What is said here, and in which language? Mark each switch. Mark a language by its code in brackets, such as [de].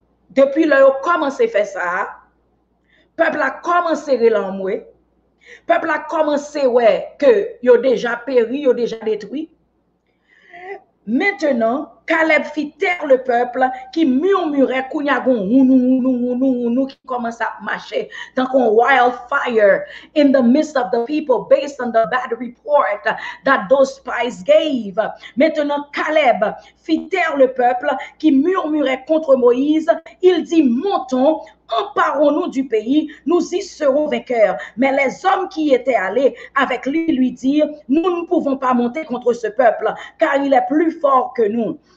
[fr] Depuis là, on a commencé à faire ça. Le peuple a commencé à l'amour. Le peuple a commencé à voir qu'il a déjà péri, il a déjà détruit. Maintenant, Caleb fit taire le peuple qui murmurait Kounyagon, nous, qui commence à marcher. Donc, un [en] wildfire in the midst of the people based on the bad report that those spies gave. [fr] Maintenant, Caleb fit taire le peuple qui murmurait contre Moïse. Il dit, montons, emparons-nous du pays, nous y serons vainqueurs. Mais les hommes qui étaient allés avec lui dirent, nous ne pouvons pas monter contre ce peuple car il est plus fort que nous.